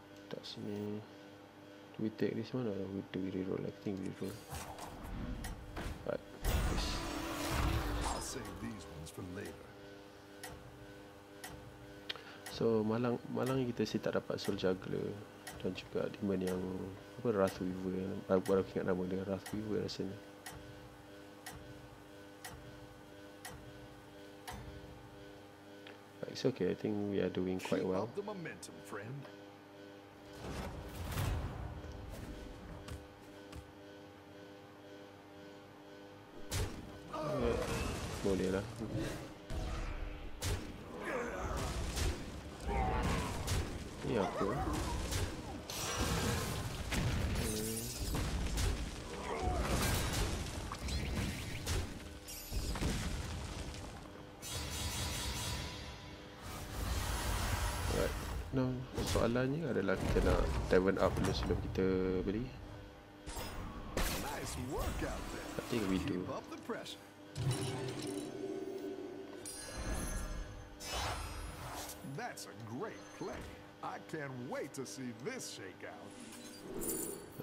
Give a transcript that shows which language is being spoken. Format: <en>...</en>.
<en>That's me. Do we take this one or do we reroll? I think we reroll. Right. Yes. I'll save these ones for later.</en> <ms>So malang, malang kita sih tak dapat soul juggler dan juga demon yang apa, Wrath Weaver. Baru-baru ingat nama dia, Wrath Weaver rasanya.</ms> <en>Right, it's okay. I think we are doing quite well. Keep up the momentum, friend.</en> <ms>Boleh lah. Ni aku right. No, soalannya adalah kita nak tavern up dulu sebelum kita beli.</ms> <en>Nice nice workout there. I think we do. Keep up the pressure. That's a great play. I can't wait to see this shake out.</en>